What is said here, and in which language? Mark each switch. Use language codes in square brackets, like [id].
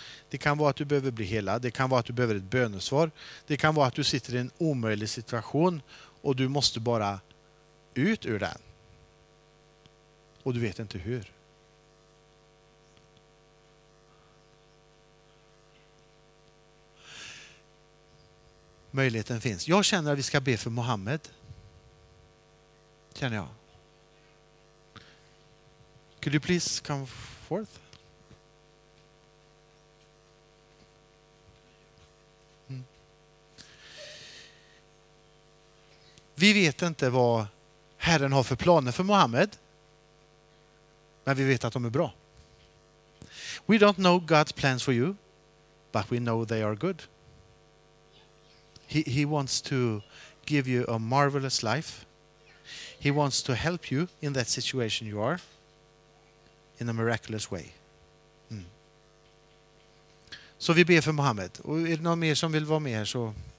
[sv] Det kan vara att du behöver bli hela. Det kan vara att du behöver ett bönesvar. Det kan vara att du sitter i en omöjlig situation och du måste bara ut ur den. Och du vet inte hur. Möjligheten finns. Jag känner att vi ska be för Mohammed. Känner jag. [en] Could you please come forth? [sv] Vi vet inte vad Herren har för planer för Mohammed. Men vi vet att de är bra. [en] We don't know God's plans for you, but we know they are good. He wants to give you a marvelous life. He wants to help you in that situation you are in a miraculous way. [sv] Mm. Så vi ber för Mohammed. Och är det någon mer som vill vara med här så...